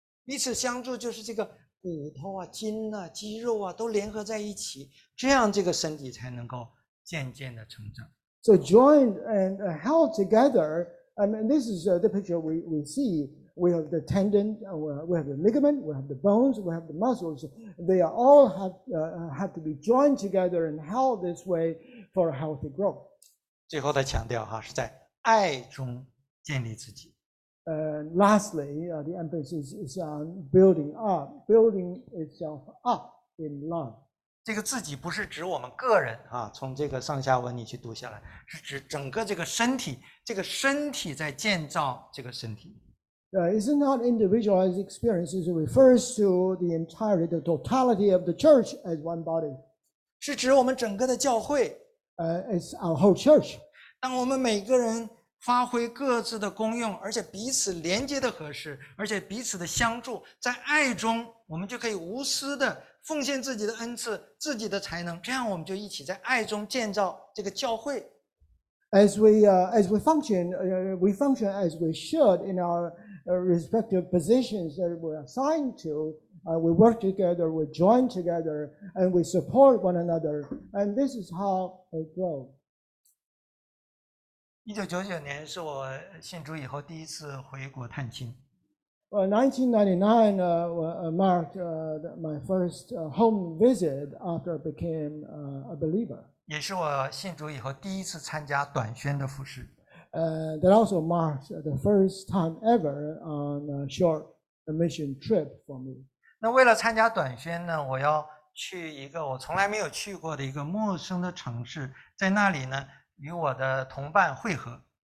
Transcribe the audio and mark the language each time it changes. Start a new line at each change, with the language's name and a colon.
Chinese: 彼此相助就是这个骨头啊、筋啊、肌肉啊都联合在一起，这样这个身体才能够渐渐的成长。
English: So joined and held together, I mean, this is the picture we see. We have the tendon, we have the ligament, we have the bones, we have the muscles. They are all have to be joined together and held this way for a healthy growth.
Chinese: 最后的强调哈，是在爱中建立自己。
English: Lastly, the emphasis is on building itself up in love.
Chinese: 这个自己不是指我们个人啊，从这个上下文你去读下来，是指整个这个身体，这个身体在建造这个身体。
English: It's not individualized experiences. It refers to the entirety, the totality of the church as one body.
Chinese: 是指我们整个的教会。
English: It's our whole church.
Chinese: 当我们每个人发挥各自的功用，而且彼此连接的合适，而且彼此的相助，在爱中，我们就可以无私的奉献自己的恩赐、自己的才能，这样我们就一起在爱中建造这个教会。
English: As we function as we should in our respective positions that we're assigned to, we work together, we join together, and we support one another, and this is how it grows.
Chinese: 1999年是我信主以后第一次回国探亲。
English: 1999marked my first home visit after I became a believer.
Chinese: 也是我信主以后第一次参加短宣的服事。
English: That also marks the first time ever on a short mission trip for me.
Chinese: 那为了参加短宣呢，我要去一个我从来没有去过的一个陌生的城市，在那里呢与我的同伴会合。